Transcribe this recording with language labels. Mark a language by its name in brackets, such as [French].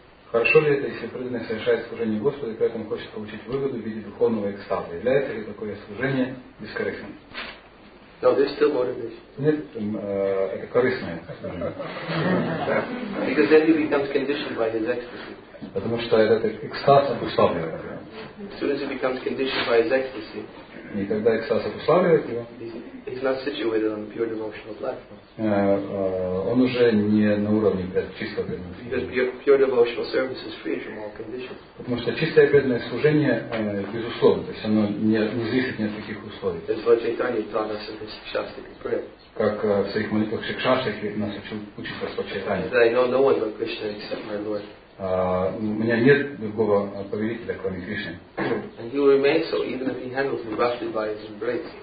[Russian] Хорошо ли это, если преданный совершает служение Господу и при этом хочет получить выгоду в виде духовного экстаза? Является ли такое служение бескорыстным? [English] No, there's still motivation. [Russian] Нет, это корыстное. [English] Because then he becomes conditioned by his ecstasy. [Russian] Потому что этот экстаз обуславливает его. [English] As soon as he becomes conditioned by his ecstasy, [Russian] и когда экстаз обуславливает его, [English] he's not situated on the pure devotional platform. [Russian] Он уже не на уровне чистого преданного служения. [English] Because pure devotional service is free from all conditions. [Russian] Потому что чистое преданное служение безусловно, то есть оно не зависит ни от каких условий. [English] As Lord Chaitanya taught us in his Shastic prayer. [Russian] Как в своих молитвах Шикшастик нас учит Господь Чайтанья. [English] That I know no one but Krishna except my Lord. [Russian] У меня нет другого повелителя, кроме Кришны. [English] And he will remain so even if he handles me roughly by his embrace.